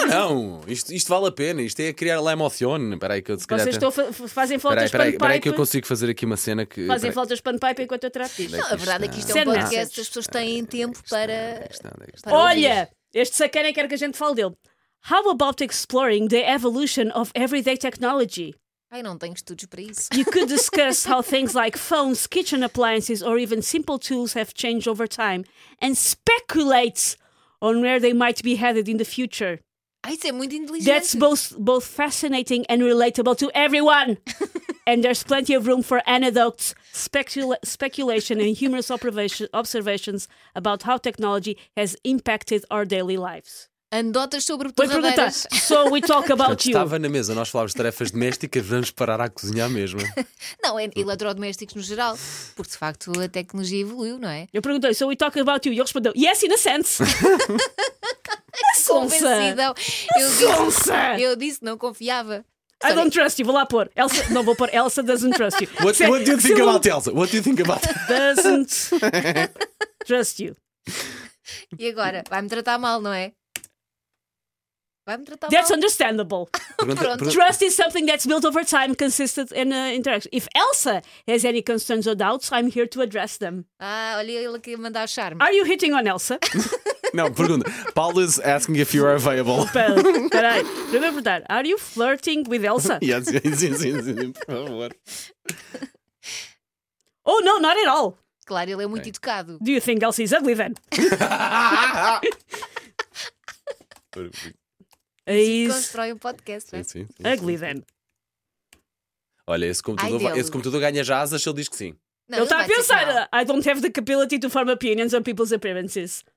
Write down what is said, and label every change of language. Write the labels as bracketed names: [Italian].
[Portuguese] Não, isto vale a pena, isto é criar [Spanish] la emoción. [Portuguese] Peraí, que eu se calhar. Vocês estão fazem faltas panpipe. Peraí, que eu consigo fazer aqui uma cena que. Fazem faltas panpipe enquanto eu trato isto. Não, a verdade é que isto é um podcast, as pessoas têm tempo para. Olha, este sacana quer que a gente fale dele. [English] How about exploring the evolution of everyday technology? [Portuguese] Ai, não tenho estudos para isso. [English] You could discuss how things like phones, kitchen appliances, or even simple tools have changed over time and speculate on where they might be headed in the future. [Portuguese] Ah, isso é muito inteligente. [English] That's both fascinating and relatable to everyone. And there's plenty of room for anecdotes, speculation and humorous observations about how technology has impacted our daily lives. [Portuguese] Anedotas sobre torradeiras. [English] So we talk about you. [Portuguese] Estava na mesa, nós falávamos de tarefas domésticas, vamos parar à cozinha mesmo. Não, é eletrodomésticos no geral, porque de facto a tecnologia evoluiu, não é? Eu perguntei, [English] so we talk about you, [Portuguese] e ele respondeu, [English] yes, in a sense. [Portuguese] Convencidão. Eu disse, não confiava. [English] Sorry. I don't trust you, [Portuguese] vou lá pôr. [English] Elsa, [Portuguese] não vou pôr, [English] Elsa doesn't trust you. What do you think about Elsa? Doesn't trust you. [Portuguese] E agora, vai-me tratar mal, não é? Vai-me tratar [English] that's [Portuguese] mal. [English] Understandable. [Portuguese] Pronto. [English] Trust is something that's built over time, consistent in interaction. If Elsa has any concerns or doubts, I'm here to address them. [Portuguese] Ah, olha ele aqui a mandar charme. [English] Are you hitting on Elsa? [Portuguese] Não, pergunta. [English] Paul is asking if you are available. [Portuguese] Peraí, deixa eu perguntar. [English] Are you flirting with Elsa? [Portuguese] Sim, por favor. [English] Oh, no, not at all. [Portuguese] Claro, ele é muito educado. [English] Do you think Elsa is ugly then? [Portuguese] Constrói um podcast, né? Sim. [English] Ugly then. [Portuguese] Olha, esse computador ganha já asas se ele diz que sim. Não, ele está a pensar. [English] I don't have the capability to form opinions on people's appearances.